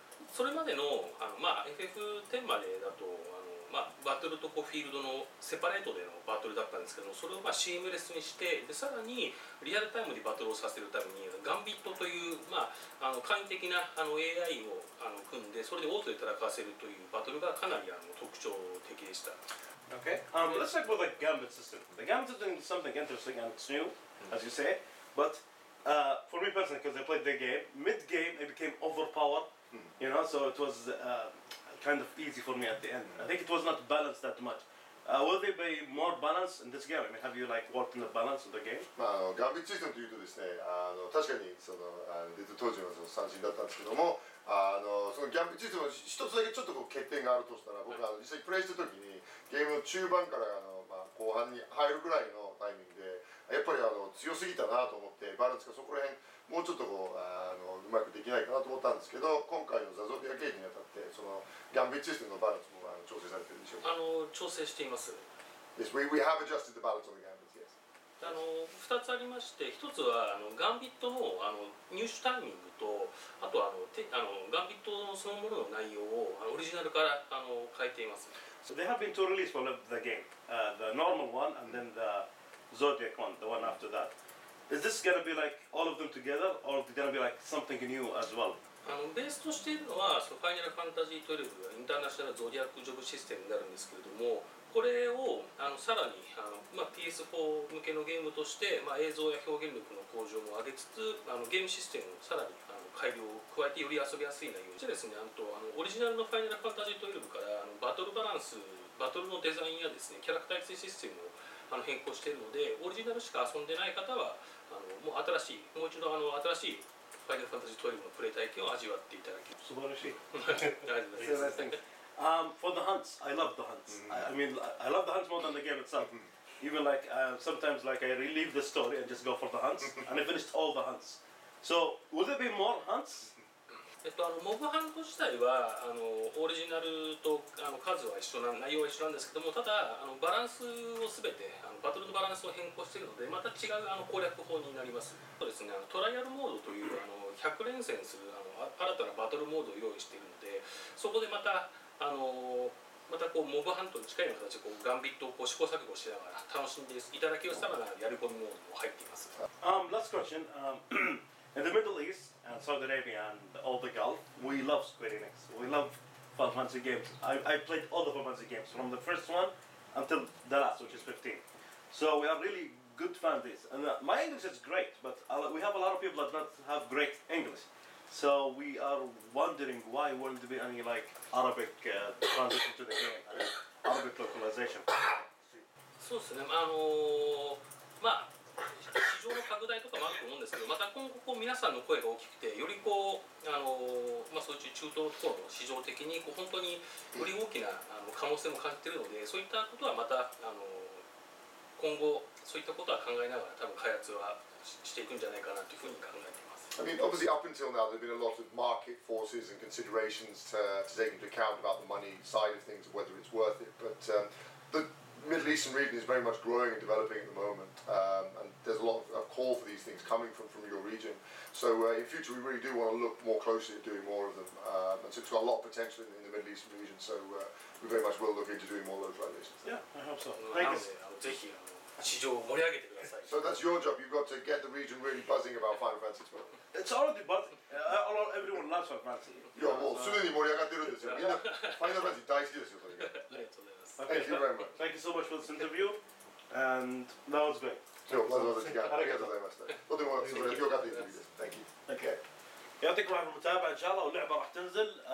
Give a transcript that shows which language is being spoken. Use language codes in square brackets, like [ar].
[ja] それまで FF10 までだとバトルとこうフィールドのセパレートでのバトルだったんですけど、それを、シームレスにして、でさらにリアルタイムでバトルをさせるためにガンビットという、簡易的な AI を組んで、それでオートで戦わせるというバトルがかなり特徴的でした。 [en] Okay. Let's talk about the Gambit system. The Gambit system is something interesting and it's new, as you say. But for me personally, because I played the game, mid-game it became overpowered, you know, so it was kind of easy for me at the end. I think it was not balanced that much. Will there be more balance in this game? I mean, have you like worked on the balance of the game? [ja] Gambit system というとですね、確かにその当時は斬新だったんですけども、そのギャンブル実は一つだけちょっとこう欠点があるとしたら、僕は実際プレイしてた時にゲームの中盤から後半に入るぐらいのタイミングでやっぱり強すぎたなと思って、バランスがそこら辺もうちょっとこう うまくできないかなと思ったんですけど、今回のザ・ゾディア・ゲージにあたってそのギャンブルシステムのバランスも調整されてるでしょうか？調整しています。 [en] Yes, we have adjusted the balance of the gambit, yes. [ja] 2つありまして、1つはガンビット の, 入手タイミングと、あとはガンビットのそのものの内容をオリジナルから変えています。 [en] So they have been two release for the game, the normal one and then the Zodiac one, the one after that. Is this gonna be like all of them together or is it gonna be like something new as well? [ja] ベースとしているのはファイナルファンタジー12はインターナショナルゾディアックジョブシステムになるんですけれども、これをさらに PS4 向けのゲームとして、映像や表現力の向上も上げつつ、ゲームシステムをさらに改良を加えてより遊びやすい内容にしてですね、オリジナルのファイナルファンタジー12からバトルバランス、バトルのデザインやですね、キャラクター育成システムを変更しているので、オリジナルしか遊んでない方はもう新しい、もう一度新しいファイナルファンタジー12のプレイ体験を味わっていただき、素晴らしい。ありがとうございます。 [en] For the hunts, I love the hunts. I mean, I love the hunts more than the game itself. Even like, sometimes like I relieve the story and just go for the hunts. And I finished all the hunts. So, will there be more hunts? [ja] モブハント自体はオリジナルと数は一緒な、内容は一緒なんですけども、ただバランスを全てバトルのバランスを変更しているので、また違う攻略法になります。そうですね、トライアルモードという100連戦する新たなバトルモードを用意しているので、そこでまたまたこうモブハントに近いような形でこうガンビットをこう試行錯誤しながら楽しんでいただけるさまなやり込みモードも入っています。 [en] Last question. In the Middle East and Saudi Arabia and all the Gulf, we love Square Enix. We love Final Fantasy games. I played all the Final Fantasy games from the first one until the last, which is 15. So we are really good fan of this. And my English is great, but we have a lot of people that don't have great English. So we are wondering why wouldn't there be any like Arabic translation to the game, Arabic localization. [ja] そうですね。市場の拡大とかもあると思うんですけど、また今後こう皆さんの声が大きくて、よりこうそういう中東のところの市場的にこう本当により大きな可能性も感じているので、そういったことはまた今後そういったことは考えながら多分開発は していくんじゃないかなというふうに考えています。 [en] I mean, obviously up until now there have been a lot of market forces and considerations to take into account about the money side of things, whether it's worth it, but theMiddle Eastern region is very much growing and developing at the moment, and there's a lot of call for these things coming from your region. So in future, we really do want to look more closely at doing more of them, and so it's got a lot of potential in the Middle Eastern region. So we very much will look into doing more localizations. Yeah, I hope so. Thank you. [ja] 市場を盛り上げてください。 [en] So that's your job. You've got to get the region really buzzing about Final Fantasy XII. It's already buzzing. Everyone loves Final Fantasy. [ja] いや、もうすでに盛り上がってるんですよ。みんな Final Fantasy 大好きですよ、それが。ありがとうございます。 [en] Okay. Thank you very much. Thank you so much for this interview. And that was great. [ja] So, わざわざ時間ありがとうございました。とても素晴らしい、よかったインタビューです。 [en] Thank you. Okay. [ar] يعطيكم العافية المتابعة إن شاء الله واللعبة راح تنزل.